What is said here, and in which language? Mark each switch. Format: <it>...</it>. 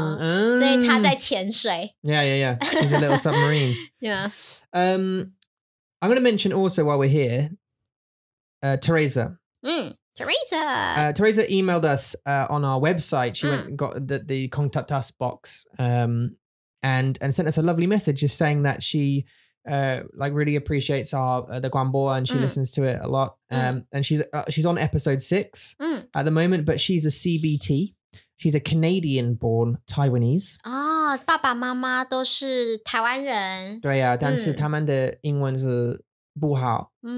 <zh>对，就是我只要在水里面，我不想要出来，让大家看到。所以他在潜水。Yeah.</zh> <en>He's a little submarine. Yeah. I'm going to mention also while we're here, Teresa. Teresa emailed us on our website. She went and got the contact us box and sent us a lovely message just saying that she like really appreciates our the Guanbo and she listens to it a lot. And she's on episode 6 at the moment, but she's a CBT. She's a Canadian born Taiwanese.</en> <zh>Oh, 爸爸妈妈都是台湾人. 对啊，但是他们的英文是不好。</zh>